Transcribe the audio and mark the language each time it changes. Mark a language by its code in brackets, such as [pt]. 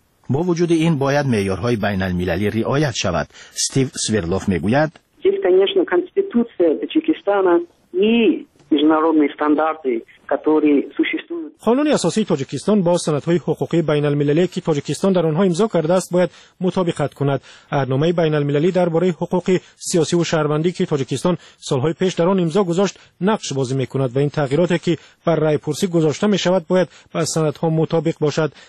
[fa] با وجود این باید معیارهای بین المللی رعایت شود. ستیو سویردلوف میگوید کنستیتوسیای تاجیکستان [ru] международные стандарты, которые существуют. [fa] قانون اساسی تاجیکستان با سندهای حقوقی بین المللی که تاجیکستان در آنها امضا کرده است باید مطابقت کند. اهدنامه بین المللی درباره حقوق سیاسی و شهروندی که تاجیکستان سالهای پیش در آن امضا گذاشت نقش بازی میکند و این تغییراتی که بر رای پرسی گذاشته میشود باید با سندها مطابق باشد.